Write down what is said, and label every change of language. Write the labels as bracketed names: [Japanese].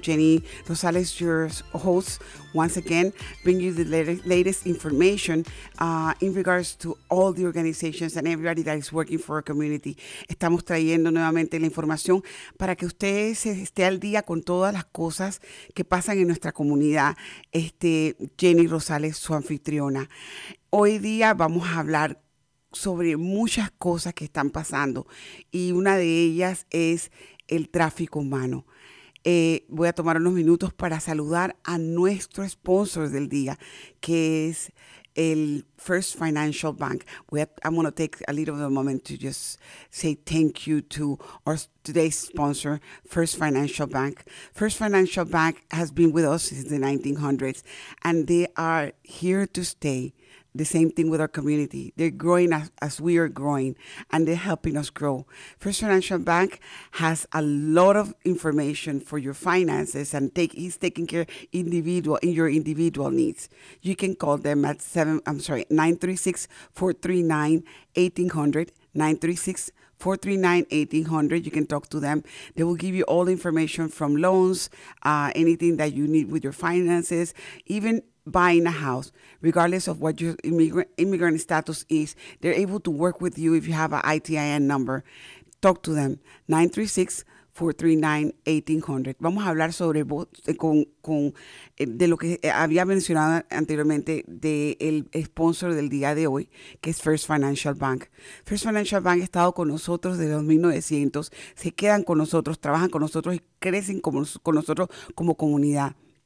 [English] Jenny Rosales, your host, once again, bring you the latest information in regards to all the organizations and everybody that is working for our community. [Spanish] Estamos trayendo nuevamente la información para que usted esté al día con todas las cosas que pasan en nuestra comunidad. Jenny Rosales, su anfitriona. Hoy día vamos a hablar sobre muchas cosas que están pasando y una de ellas es el tráfico humano. Voy a tomar unos minutos para saludar a nuestro sponsor del día, que es el First Financial Bank. [English] I'm going to take a little bit of a moment to just say thank you to our today's sponsor, First Financial Bank. First Financial Bank has been with us since the 1900s, and they are here to stay. The same thing with our community. They're growing as we are growing, and they're helping us grow. First Financial Bank has a lot of information for your finances, and he's taking care your individual needs. You can call them at 936-439-1800. You can talk to them. They will give you all the information from loans, anything that you need with your finances, even buying a house, regardless of what your immigrant status is. They're able to work with you if you have an ITIN number. Talk to them. 936-439-1800. [Spanish] Vamos a hablar sobre de lo que había mencionado anteriormente de el sponsor del día de hoy, que es First Financial Bank. First Financial Bank ha estado con nosotros desde los 1900. Se quedan con nosotros, trabajan con nosotros y crecen con nosotros como comunidad.